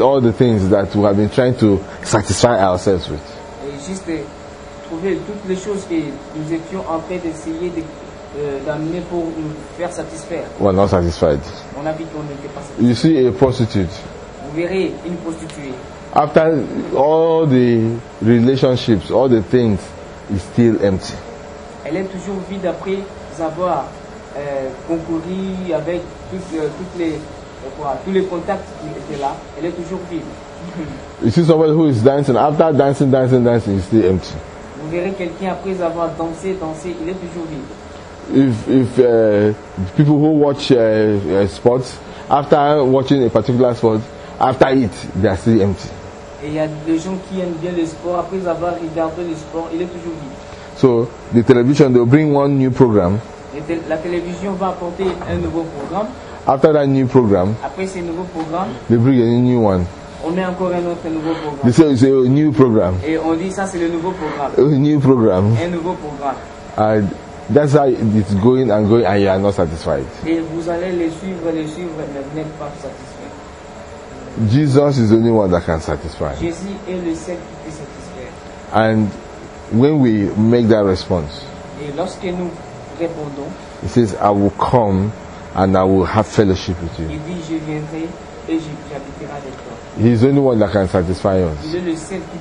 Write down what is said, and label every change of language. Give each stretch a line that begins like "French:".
English: all the things that we have been trying to satisfy ourselves with.
French: Juste trouver toutes les choses que nous étions en train d'essayer de d'amener pour nous faire satisfaire.
English: We are not satisfied.
French: On a vu qu'on n'était pas satisfait.
English: You see a prostitute.
French: Vous verrez une prostituée.
English: After all the relationships, all the things, is still empty.
French: Elle est toujours vide après avoir concouru avec tous les contacts qui étaient là. Elle est toujours vide.
English: You see somebody who is dancing. After dancing, is still empty.
French: Vous verrez quelqu'un après avoir dansé, il est toujours vide.
English: If people who watch sports, after watching a particular sport, after it, they are still empty.
French: Et il y a des gens qui aiment bien le sport. Après avoir regardé le sport, il est toujours vide.
English: So the television, they'll bring one new program.
French: La télévision va apporter un nouveau programme.
English: After that new program,
French: après ce nouveau programme,
English: they bring a new one.
French: On met encore un autre nouveau programme.
English: They say it's a new program.
French: Et on dit ça c'est le nouveau programme.
English: A new program.
French: Un nouveau programme.
English: That's how it's going and going, and you are not satisfied.
French: Et vous allez les suivre, mais vous n'êtes pas satisfait.
English: Jesus is the only one that can satisfy.
French: Jésus est le seul qui peut satisfaire.
English: And when we make that response,
French: et lorsque nous
English: he says, I will come and I will have fellowship with you. He's the only one that can satisfy us.